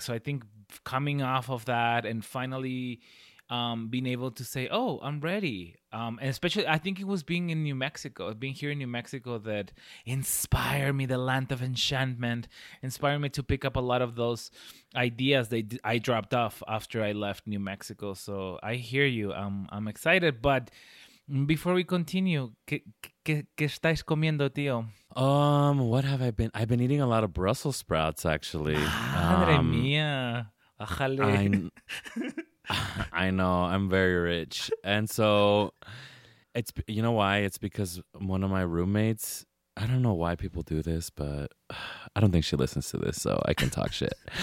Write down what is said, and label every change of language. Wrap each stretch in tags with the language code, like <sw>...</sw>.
<en>So I think coming off of that and finally being able to say, oh, I'm ready. And especially, I think it was being in New Mexico, being here in New Mexico that inspired me, the land of enchantment, inspired me to pick up a lot of those ideas that I dropped off after I left New Mexico. So I hear you. I'm excited. But before we continue,</en> <es>¿qué estáis comiendo, tío?</es> <en>What have I been? I've been eating a lot of Brussels sprouts, actually.</en> <es>Madre mía. Ajale.</es> <en>I know, I'm very rich. And so, it's, you know why? It's because one of my roommates, I don't know why people do this, but I don't think she listens to this, so I can talk shit.</en>